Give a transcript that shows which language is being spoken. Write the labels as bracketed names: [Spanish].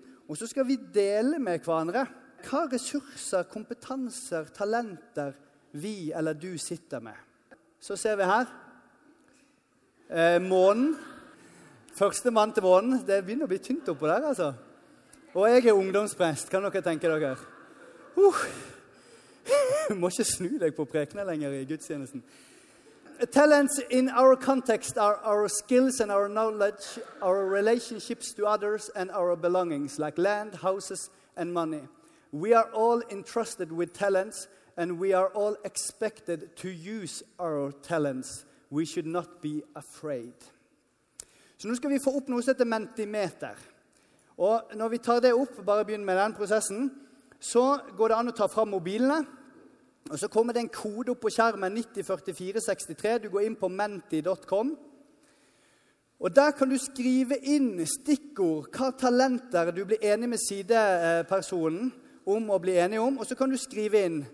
[Norwegian] Og så skal vi dele med hverandre hva ressurser, kompetanser, talenter vi eller du sitter med. Så ser vi her. Månen. Første mann til månen. Det begynner å bli tynt oppå der, altså. Og jeg er ungdomsprest, kan dere tenke dere. Du må ikke snu deg på prekene lenger I gudstjenesten. [English] Talents in our context are our skills and our knowledge, our relationships to others and our belongings, like land, houses and money. We are all entrusted with talents and we are all expected to use our talents. We should not be afraid. [Norwegian] Så nå skal vi få opp noe som heter mentimeter. Og når vi tar det opp, bare begynner med den prosessen, så går det an å ta fram mobilene, og så kommer det en kode opp på skjermen 904463. Du går inn på menti.com. Og der kan du skrive inn stikkord, hva talenter du blir enig med sidepersonen om å bli enig om, og så kan du skrive inn.